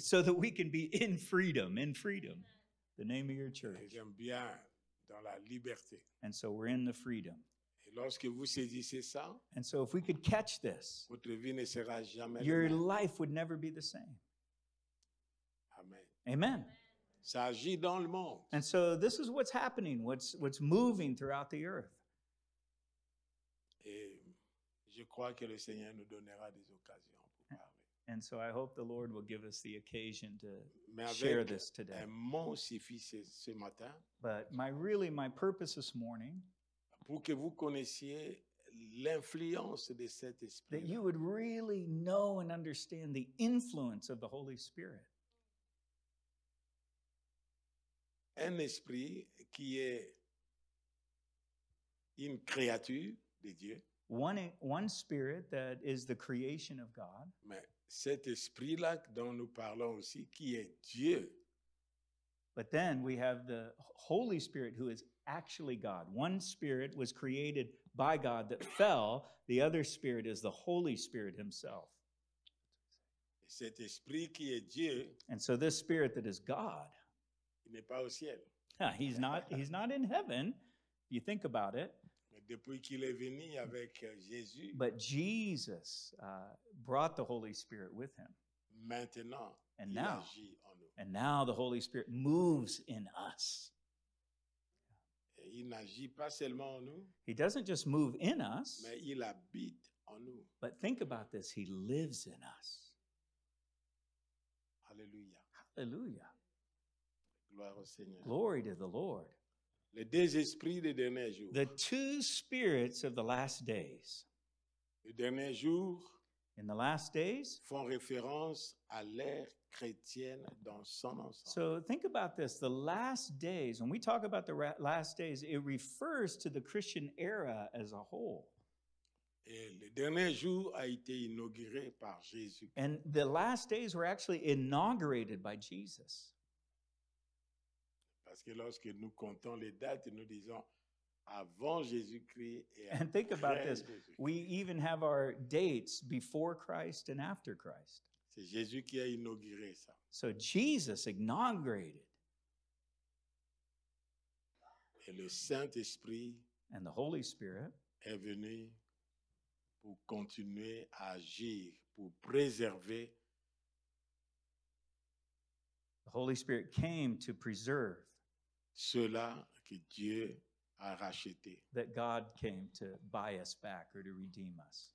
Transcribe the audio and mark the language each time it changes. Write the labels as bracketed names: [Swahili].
[English] So that we can be in freedom, in freedom. The name of your church. [French] J'aime bien dans la liberté. [English] And so we're in the freedom. [French] Et lorsque vous saisissez ça, [English] and so if we could catch this, [French] votre vie ne sera jamais [English] your [French] la même. [English] Life would never be the same. Amen. Amen. [French] Ça agit dans le monde. [English] And so this is what's happening, what's moving throughout the earth. [French] Et je crois que le Seigneur nous donnera des occasions pour parler. [English] And so I hope the Lord will give us the occasion to share this today. [French] Ce matin, [English] but my purpose this morning, [French] pour que vous connaissiez l'influence de cet esprit, [English] that you would really know and understand the influence of the Holy Spirit. [French] Un esprit qui est une créature de Dieu. [English] One spirit that is the creation of God. [French] Mais cet esprit-là dont nous parlons aussi, qui est Dieu. [English] But then we have the Holy Spirit who is actually God. One spirit was created by God that fell. The other spirit is the Holy Spirit himself. [French] Cet esprit qui est Dieu. [English] And so this spirit that is God. [French] Il n'est pas au ciel. [English] He's not in heaven, if you think about it. [French] Depuis qu'il est venu avec Jésus. [English] But Jesus brought the Holy Spirit with him. [French] Maintenant, [English] and now, [French] il agit en nous. [English] And now the Holy Spirit moves in us. [French] Et il n'agit pas seulement en nous. [English] He doesn't just move in us. [French] Mais il habite en nous. [English] But think about this, he lives in us. [French] Alléluia. [English] Hallelujah. [French] Gloire au Seigneur. [English] Glory to the Lord. [French] Les deux esprits des derniers jours. [English] The two spirits of the last days. [French] Les derniers jours. [English] In the last days. [French] Font référence à l'ère chrétienne dans son ensemble. [English] So think about this. The last days, when we talk about the last days, it refers to the Christian era as a whole. [French] Et le dernier jour a été inauguré par Jésus. [English] And the last days were actually inaugurated by Jesus. [French] Parce que lorsque nous comptons les dates, nous disons avant Jésus-Christ et après. [English] And think about this. We even have our dates before Christ and after Christ. [French] C'est Jésus qui a inauguré ça. [English] So Jesus inaugurated. [French] Et le Saint-Esprit [English] and the Holy Spirit [French] est venu pour continuer à agir, pour préserver. [English] The Holy Spirit came to preserve. [French] Cela que Dieu a racheté. [English] That God came to buy us back or to redeem us.